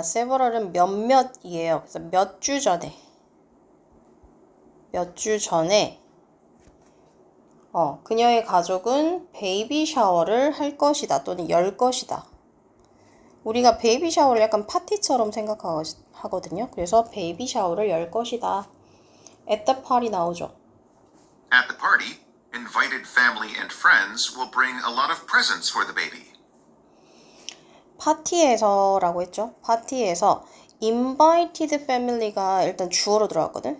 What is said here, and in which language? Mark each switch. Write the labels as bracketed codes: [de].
[ko] several은 몇몇이에요. 그래서 몇주 전에, 몇주 전에, 그녀의 가족은 베이비 샤워를 할 것이다 또는 열 것이다. 우리가 베이비 샤워를 약간 파티처럼 생각하거든요. 그래서 베이비 샤워를 열 것이다. [en] At the party [ko] 나오죠. [en] At the party, invited family and friends will bring a lot of presents for the baby. [ko] 파티에서라고 했죠. 파티에서 [en] invited family [ko] 가 일단 주어로 들어왔거든.